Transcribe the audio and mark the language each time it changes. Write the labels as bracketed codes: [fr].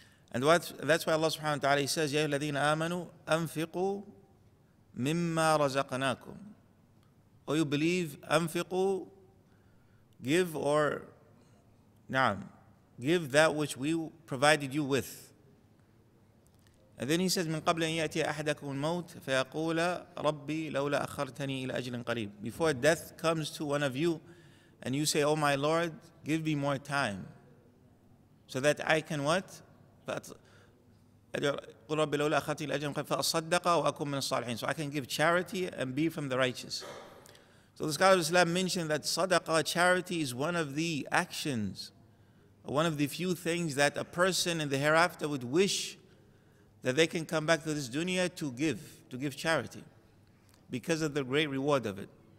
[en] And that's why Allah subhanahu wa ta'ala says, [ar] يَا الَّذِينَ آمَنُوا أَنْفِقُوا مِمَّا رَزَقْنَاكُمْ. [en] Or you believe, [ar] أَنْفِقُوا, [en] give, or [ar] نعم, [en] give that which we provided you with. And then he says, [ar] مِنْ قَبْلَ أَنْ يَأْتِيَ أَحَدَكُمْ الْمَوْتِ فَيَقُولَ رَبِّي لَوْلَا أَخَّرْتَنِي إِلَى أَجْلٍ قَرِيبٍ. [en] Before death comes to one of you, and you say, oh my Lord, give me more time, so that I can what? [ar] قُلْ رَبِّي لَوْلَا أَخَّرْتَنِي إِلَى أَجْلٍ قَرِيبٍ فَأَصَّدَّقَ وَأَكُمْ مِنَ الصَّالِحِينَ. [en] So I can give charity and be from the righteous. So the scholar of Islam mentioned that sadaqah, charity, is one of the actions, one of the few things that a person in the hereafter would wish that they can come back to this dunya to give charity, because of the great reward of it.